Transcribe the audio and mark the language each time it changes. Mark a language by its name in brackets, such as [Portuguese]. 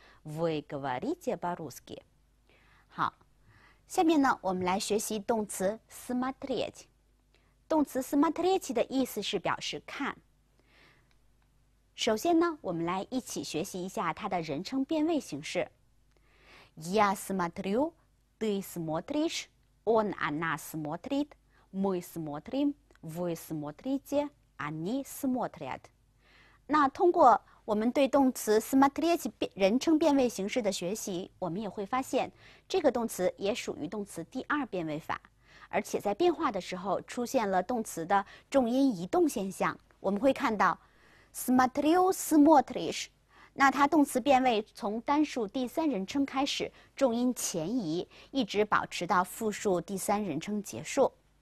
[Russian] Вы говорите по-русски。 [Chinese] 好，下面呢，我们来学习动词 смотреть。动词 смотреть 的意思是表示看。首先呢，我们来一起学习一下它的人称变位形式。 [Russian] Я смотрю, ты смотришь, он она смотрит。 Мы смотрим, вы смотрите, они смотрят。 [Chinese] 那通过我们对动词 смотреть 人称变位形式的学习，我们也会发现，这个动词也属于动词第二变位法，而且在变化的时候出现了动词的重音移动现象。我们会看到 смотрю, смотришь，那它动词变位从单数第三人称开始，重音前移，一直保持到复数第三人称结束。